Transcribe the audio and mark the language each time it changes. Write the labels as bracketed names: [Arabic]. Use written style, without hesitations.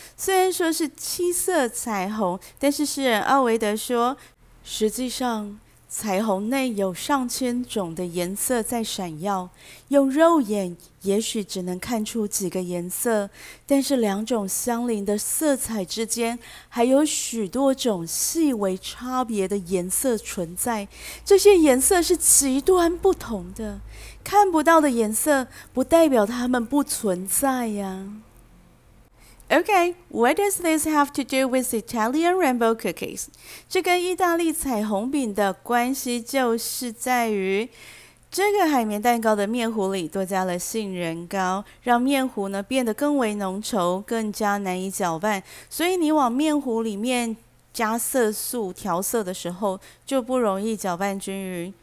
[Chinese] 虽然说是七色彩虹，但是诗人奥维德说，实际上彩虹内有上千种的颜色在闪耀，用肉眼也许只能看出几个颜色，但是两种相邻的色彩之间还有许多种细微差别的颜色存在，这些颜色是极端不同的，看不到的颜色不代表它们不存在呀。 [English] Okay, what does this have to do with Italian rainbow cookies? [Chinese] 这跟意大利彩虹饼的关系就是在于这个海绵蛋糕的面糊里多加了杏仁糕，让面糊呢变得更为浓稠，更加难以搅拌。所以你往面糊里面加色素调色的时候，就不容易搅拌均匀。